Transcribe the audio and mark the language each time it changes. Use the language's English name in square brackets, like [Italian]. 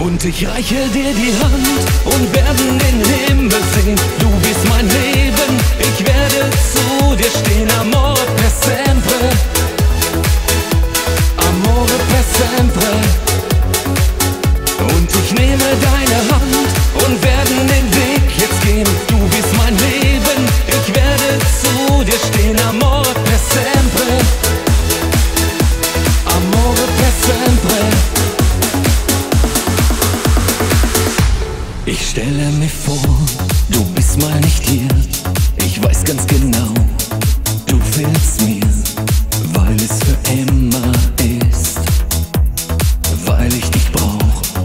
[German] Und ich reiche dir die Hand und werden den Himmel sehen. Du bist mein Leben, ich werde zu dir stehen. [Italian] Amor per sempre, amore per sempre. [German] Und ich nehme deine Hand und werden den Weg jetzt gehen. Du bist mein Leben, ich werde zu dir stehen. [Italian] Amore per sempre, amore per sempre. [German] Ich stelle mir vor, du bist mal nicht hier. Ich weiß ganz genau, du fehlst mir, weil es für immer ist, weil ich dich brauch.